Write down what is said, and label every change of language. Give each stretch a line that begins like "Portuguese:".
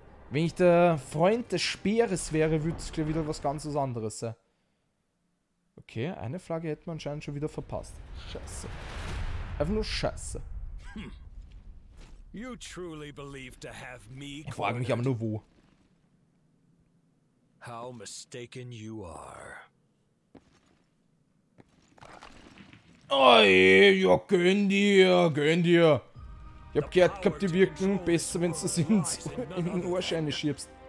German: Wenn ich der Freund des Speeres wäre, würde es gleich wieder was ganz anderes sein. Okay, eine Flagge hätte man anscheinend schon wieder verpasst. Scheiße. Einfach nur Scheiße.
English: You truly believe to have me quartered.
German: Ich frage mich aber nur wo.
English: How mistaken you are.
German: Oi, ja, gönn dir. Ich hab gehört gehabt, die wirken besser, wenn sie sie in den Arsch einschiebst.